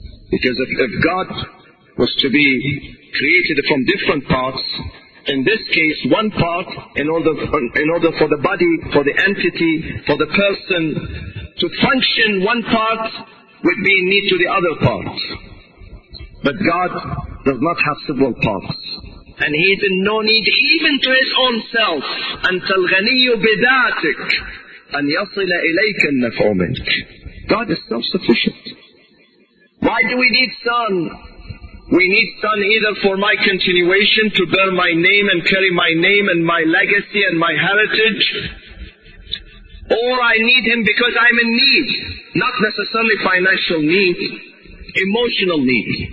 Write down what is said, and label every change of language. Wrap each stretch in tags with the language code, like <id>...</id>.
<en>Because if God was to be created from different parts, in this case one part, in order for the body, for the entity, for the person to function, one part would be in need to the other part. But God does not have several parts. And He is in no need even to His own self.</en> <ar>أنت الغني بذاتك أن يصل إليك النفع منك.</ar> <en>God is self-sufficient. Why do we need son? We need son either for my continuation, to bear my name and carry my name and my legacy and my heritage. Or I need him because I'm in need. Not necessarily financial need, emotional need.</en>